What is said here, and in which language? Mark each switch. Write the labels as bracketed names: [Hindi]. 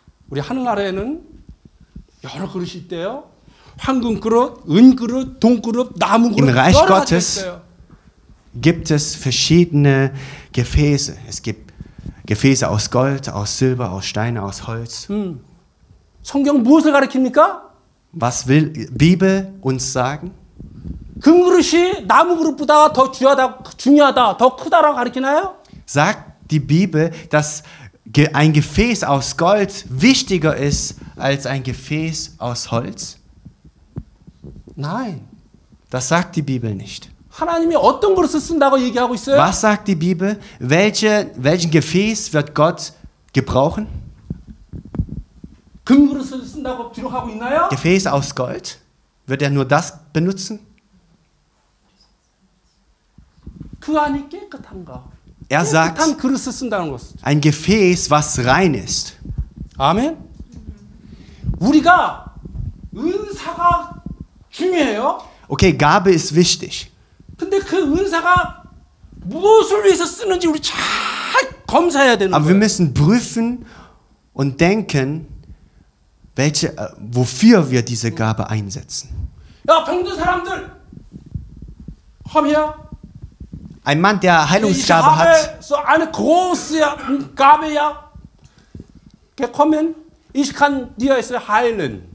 [Korean] 우리 하늘나라에는 여러 그릇이 있대요. 황금 그릇, 은 그릇, 동 그릇, 나무 그릇. [German] Im Reich Gottes gibt es verschiedene Gefäße. Es gibt Gefäße aus Gold, aus Silber, aus Steine, aus Holz. [Korean] 성경 무엇을 가르칩니까? [German] Was will Bibel uns sagen? [Korean] 금 그릇이 나무 그릇보다 더 중요하다, 더 크다라고 가르치나요? [German] Sagt die Bibel, dass ein Gefäß aus Gold wichtiger ist als ein Gefäß aus Holz? Nein. Das sagt die Bibel nicht. [Korean] 하나님이 어떤 그릇을 쓴다고 얘기하고 있어요? [German] Was sagt die Bibel? Welchen Gefäß wird Gott gebrauchen? [Korean] 금 그릇을 쓴다고 기록하고 있나요? [German] Gefäß aus Gold? Wird nur das benutzen? [Korean] 그 안이 깨끗한가? [German] Er sagt, ein Gefäß, was rein ist. Amen. [Korean] 우리가 은사가 중요해요. [German] Okay, Gabe ist wichtig. [Korean] 근데 그 은사가 무엇을 위해서 쓰는지 우리 잘 검사해야 되는 거예요. [German] Aber wir müssen prüfen und denken, wofür wir diese Gabe einsetzen. [Korean] 야, 병든 사람들, [English] come here. [German] Ein Mann, der Heilungsgabe hat. So eine große Gabe, ja. Gekommen, ich kann dir es heilen.